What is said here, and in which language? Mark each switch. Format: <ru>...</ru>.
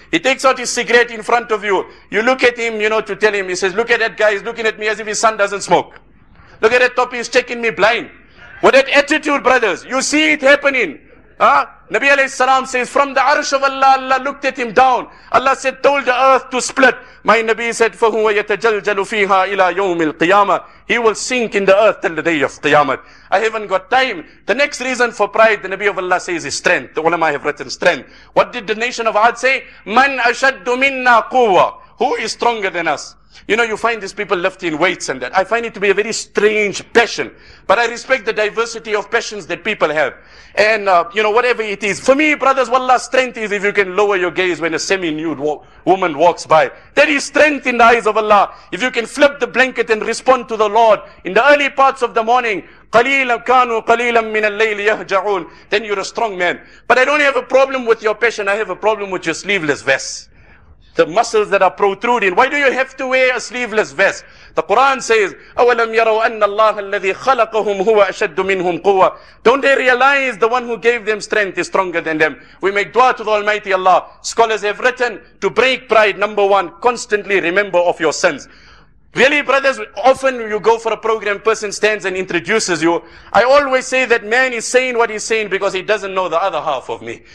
<en>He takes out his cigarette in front of you. You look at him, you know, to tell him. He says, look at that guy. He's looking at me as if his son doesn't smoke. Look at that top. He's checking me blind. What an attitude, brothers. You see it happening. Huh? Nabi alayhi salam says, from the arsh of Allah, Allah looked at him down. Allah said, told the earth to split. My Nabi said,</en> <ar>فَهُوَ يَتَجَلْجَلُ فِيهَا إِلَىٰ يَوْمِ الْقِيَامَةِ.</ar> <en>He will sink in the earth till the day of Qiyamah. I haven't got time. The next reason for pride, the Nabi of Allah says, is strength. The ulama have written strength. What did the nation of Ad say?</en> <ar>مَنْ أَشَدُّ مِنَّا قُوَّةِ.</ar> <en>Who is stronger than us? You know, you find these people lifting weights and that. I find it to be a very strange passion. But I respect the diversity of passions that people have. And, you know, whatever it is. For me, brothers, wallah, strength is if you can lower your gaze when a semi-nude woman walks by. That is strength in the eyes of Allah. If you can flip the blanket and respond to the Lord in the early parts of the morning,</en> <ar>قَلِيلًا كَانُوا قَلِيلًا مِنَ اللَّيْلِ يَهْجَعُونَ,</ar> <en>then you're a strong man. But I don't have a problem with your passion. I have a problem with your sleeveless vest. The muscles that are protruding. Why do you have to wear a sleeveless vest? The Quran says,</en> <ar>أَوَلَمْ يَرَوْا أَنَّ اللَّهَ الَّذِي خَلَقَهُمْ هُوَ أَشَدُّ مِنْهُمْ قُوَّةً.</ar> <en>Don't they realize the one who gave them strength is stronger than them? We make dua to the Almighty Allah. Scholars have written to break pride. Number one, constantly remember of your sins. Really, brothers, often you go for a program, person stands and introduces you. I always say that man is saying what he's saying because he doesn't know the other half of me.</en>